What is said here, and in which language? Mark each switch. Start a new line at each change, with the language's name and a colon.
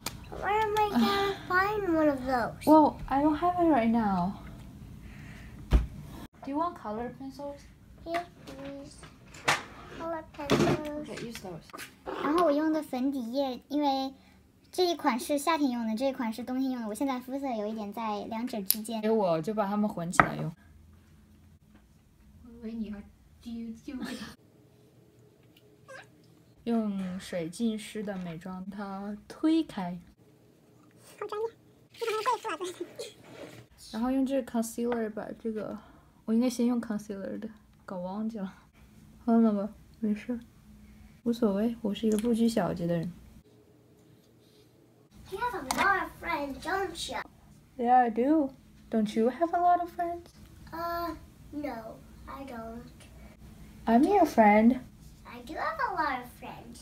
English: Where am I gonna find one of those? Well, I don't have it right now. Do you want color pencils? Yes, please. Color pencils. Okay, use those.
Chinese: 然后我用的粉底液，因为这一款是夏天用的，这一款是冬天用的。我现在肤色有一点在两者之间。给我就把它们混起来用。喂，你要丢给他。用水浸湿的美妆它推开。好专业，这个还可以做啊，对。然后用这个 concealer 把这个，我应该先用 concealer 的，搞忘记了，忘了吧，没事，无所谓，我是一个不拘小节的人。
English: You have a lot of friends, don't you? Yeah, I do. Don't you have a lot of friends? No, I don't. I'm your friend. I do have a lot of friends.